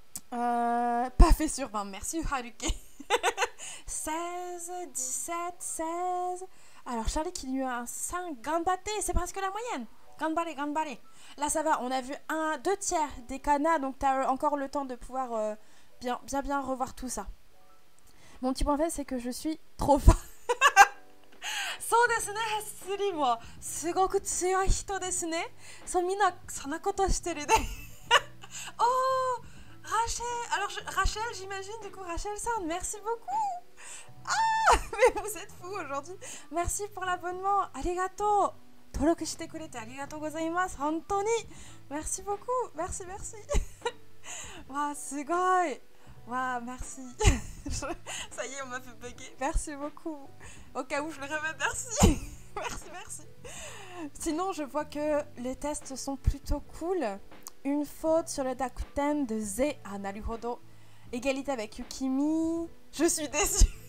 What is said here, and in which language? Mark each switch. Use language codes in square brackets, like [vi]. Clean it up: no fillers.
[fr] Pas fait sur 20, merci Haruke. 16, 17, 16. Alors Charlie qui lui a un 5, [ja] ganbatte, [fr] c'est presque la moyenne. [ja] Ganbare. [fr] Là ça va, on a vu 2/3 des canas, donc t'as encore le temps de pouvoir bien revoir tout ça. Mon petit point fait, c'est que je suis trop fort. [ja] そうですね、ハッスリーもすごく強い人ですね。そう、みんなそんなことしてるね。 [fr] おー、ラシェル、alors Rachel, j'imagine, du coup, Rachel さん、merci beaucoup! ああ、mais vous êtes fous aujourd'hui! Merci pour l'abonnement! [ja] ありがとう登録してくれてありがとうございます本当に [fr] merci beaucoup! Merci! [ja] わー、すごいわー、 [fr] merci! Ça y est, on m'a fait bugger. Merci beaucoup. Au cas où, je le répète, merci. Merci. Sinon, je vois que les tests sont plutôt cool. une faute sur le dakuten de ze. Ah, [ja] naruhodo. [fr] Égalité avec Yukimi. Je suis déçue.